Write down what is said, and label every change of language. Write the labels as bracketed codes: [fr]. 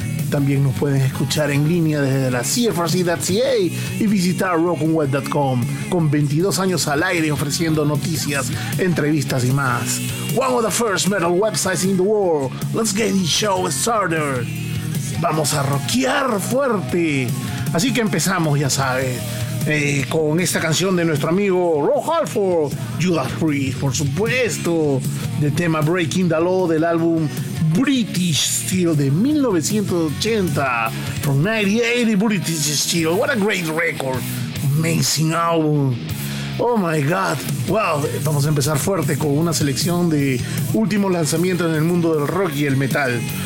[es] También nos pueden escuchar en línea desde la CFRC.ca y visitar rockandweb.com con 22 años al aire ofreciendo noticias, entrevistas y más. [en] One of the first metal websites in the world. Let's get this show started. [es] Vamos a rockear fuerte. Así que empezamos, ya sabes, con esta canción de nuestro amigo Rob Halford, Judas Priest, por supuesto, del tema Breaking the Law del álbum British Steel de 1980, [en] from 1980, British Steel. What a great record, amazing album, oh my god. [es] Well, vamos a empezar fuerte con una selección de últimos lanzamientos en el mundo del rock y el metal.